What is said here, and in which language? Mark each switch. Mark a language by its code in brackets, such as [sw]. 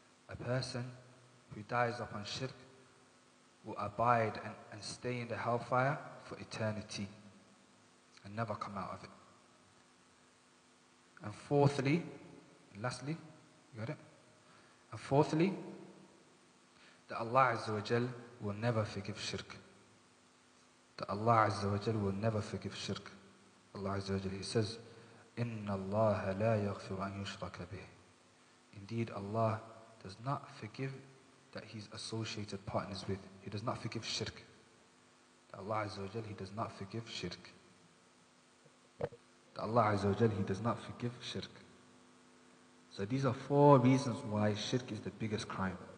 [en] A person who dies upon shirk will abide and stay in the hellfire for eternity and never come out of it. And fourthly, and lastly, you got it? And fourthly, that Allah Azza wa Jal will never forgive shirk. That Allah Azza wa Jal will never forgive shirk. Allah Azza wa Jal, he says, [ar] إِنَّ اللَّهَ لَا يَغْفِرُ أَنْ يُشْرَكَ بِهِ. [en] Indeed, Allah does not forgive that he's associated partners with. He does not forgive shirk. Allah Azza wa Jal, he does not forgive shirk. Allah Azza wa Jal, he does not forgive shirk. So these are four reasons why shirk is the biggest crime.